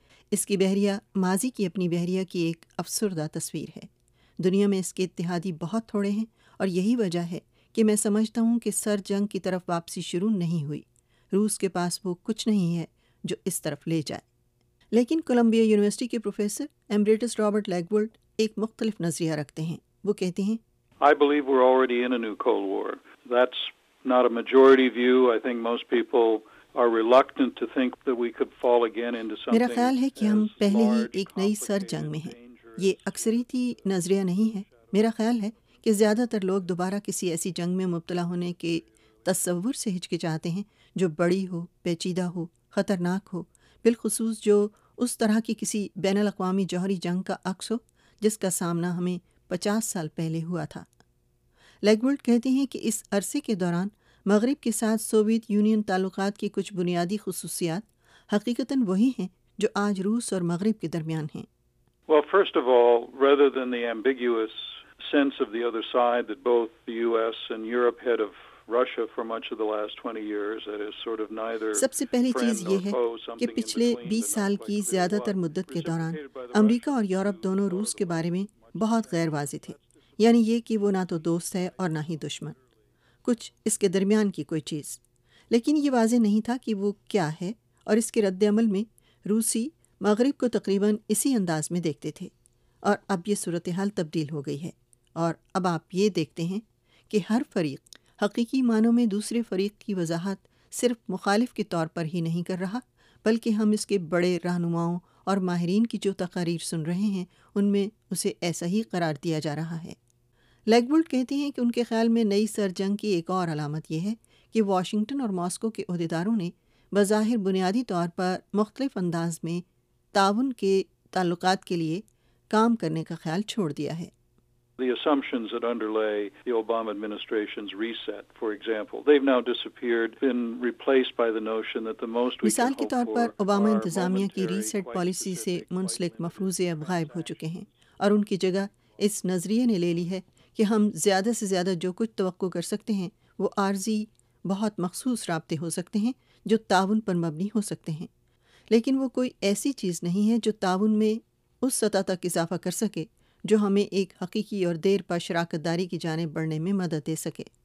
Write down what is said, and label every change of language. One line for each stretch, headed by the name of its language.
Urdu: اس کی بحریہ ماضی کی اپنی بحریہ کی ایک افسردہ تصویر ہے۔ دنیا میں اس کے اتحادی بہت تھوڑے ہیں، اور یہی وجہ ہے کہ میں سمجھتا ہوں کہ سر جنگ کی طرف واپسی شروع نہیں ہوئی۔ روس کے پاس وہ کچھ نہیں ہے جو اس طرف لے جائے۔ لیکن کولمبیا یونیورسٹی کے پروفیسر ایمریٹس رابرٹ لیگورڈ ایک مختلف نظریہ رکھتے ہیں۔ وہ کہتے ہیں،
English: I believe we're already in a new Cold War. That's not a majority view. I think most people are reluctant to think that we could fall again into something.
Urdu: میرا خیال ہے کہ ہم پہلے ہی ایک نئی سر جنگ میں ہیں۔ یہ اکثریتی نظریہ نہیں ہے۔ میرا خیال ہے کہ زیادہ تر لوگ دوبارہ کسی ایسی جنگ میں مبتلا ہونے کے تصور سے ہچکچاتے ہیں جو بڑی ہو، پیچیدہ ہو، خطرناک ہو، بالخصوص جو اس طرح کی کسی بین الاقوامی جوہری جنگ کا عکس ہو جس کا سامنا ہمیں 50 سال پہلے ہوا تھا۔ لیگورڈ کہتے ہیں کہ اس عرصے کے دوران مغرب کے ساتھ سوویت یونین تعلقات کی کچھ بنیادی خصوصیات حقیقتاً وہی ہیں جو آج روس اور مغرب کے درمیان ہیں۔
English: Well, first of all, rather than the ambiguous sense of the other side that both the US and Europe had of Russia for much of the last 20 years, that is sort of neither
Urdu: سب سے پہلی چیز یہ ہے کہ پچھلے 20 سال کی زیادہ تر مدت کے دوران امریکہ اور یورپ دونوں روس کے بارے میں بہت غیر واضح تھے، یعنی یہ کہ وہ نہ تو دوست ہے اور نہ ہی دشمن، کچھ اس کے درمیان کی کوئی چیز، لیکن یہ واضح نہیں تھا کہ وہ کیا ہے، اور اس کے رد عمل میں روسی مغرب کو تقریباً اسی انداز میں دیکھتے تھے، اور اب یہ صورتحال تبدیل ہو گئی ہے، اور اب آپ یہ دیکھتے ہیں کہ ہر فریق حقیقی معنوں میں دوسرے فریق کی وضاحت صرف مخالف کے طور پر ہی نہیں کر رہا، بلکہ ہم اس کے بڑے رہنماؤں اور ماہرین کی جو تقاریر سن رہے ہیں ان میں اسے ایسا ہی قرار دیا جا رہا ہے۔ لیگورڈ کہتے ہیں کہ ان کے خیال میں نئی سر جنگ کی ایک اور علامت یہ ہے کہ واشنگٹن اور ماسکو کے عہدیداروں نے بظاہر بنیادی طور پر مختلف انداز میں تعاون کے تعلقات کے لیے کام کرنے کا خیال چھوڑ دیا ہے۔
English: The assumptions that underlay the Obama administration's reset, for example, they've now disappeared, been replaced by the notion that the most we can hope for.
Urdu: مثال کے طور پر اوباما انتظامیہ کی ریسیٹ پالیسی سے منسلک مفروضے اب غائب ہو چکے ہیں، اور ان کی جگہ اس نظریے نے لے لی ہے کہ ہم زیادہ سے زیادہ جو کچھ توقع کر سکتے ہیں وہ عارضی بہت مخصوص رابطے ہو سکتے ہیں جو تعاون پر مبنی ہو سکتے ہیں، لیکن وہ کوئی ایسی چیز نہیں ہے جو تعاون میں اس سطح تک اضافہ کر سکے جو ہمیں ایک حقیقی اور دیر پا شراکت داری کی جانب بڑھنے میں مدد دے سکے۔